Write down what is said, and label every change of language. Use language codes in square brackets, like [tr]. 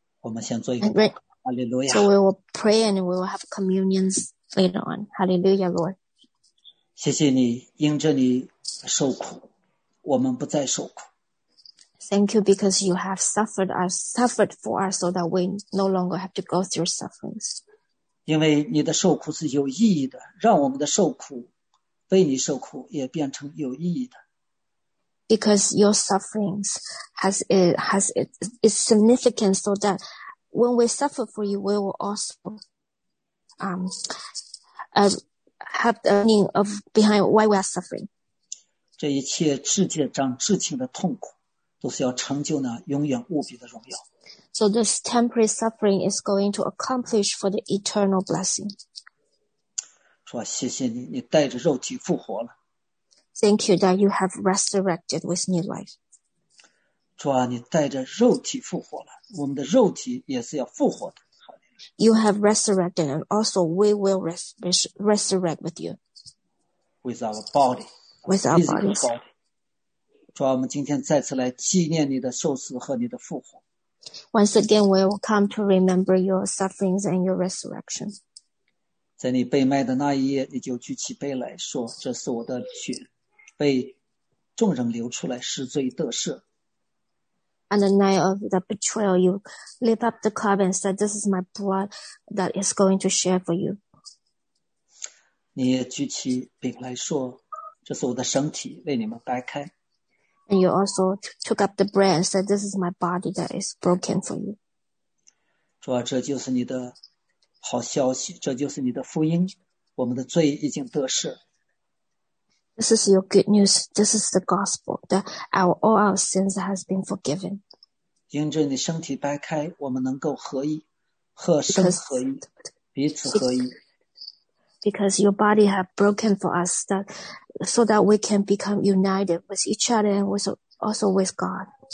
[zh] 我们先做一个祷告。Hallelujah. [en] So we will pray and we will have communions later on. Hallelujah, Lord. [zh] 谢谢你，因着你受苦，我们不再受苦。 [en] Thank you because you have suffered for us so that we no longer have to go through sufferings. [zh] 因为你的受苦是有意义的，让我们的受苦，为你受苦也变成有意义的。 [en] Because your sufferings has its significance so that when we suffer for you, we will also have the meaning of behind why we are suffering. [zh] 这一切世界上至情的痛苦都是要成就呢永远无比的荣耀。 [en] So this temporary suffering is going to accomplish for the eternal blessing. [zh] 说谢谢你，你带着肉体复活了。 [en] Thank you that you have resurrected with new life. [zh] 说你带着肉体复活了，我们的肉体也是要复活的。 [en] You have resurrected and also we will resurrect with you. With our body. With our bodies. [zh] 主啊，我们今天再次来纪念你的受死和你的复活。 [en] Once again, we will come to remember your sufferings and your resurrection. [zh] 在你被卖的那一夜，你就举起杯来说：“这是我的血，被众人流出来，使罪得赦。” [en] On the night of the betrayal, you lift up the cup and said, "This is my blood that is going to share for you." [zh] 你也举起饼来说：“这是我的身体，为你们掰开。” [en] And you also took up the bread and said, "This is my body that is broken for you." [zh] 主啊，这就是你的好消息，这就是你的福音。我们的罪已经得赦。 [en] This is your good news. This is the gospel that all our sins has been forgiven. [zh] 因着你身体掰开，我们能够合一，和神合一，彼此合一。 [en] Because your body has broken for us that, so that we can become united with each other and also with God.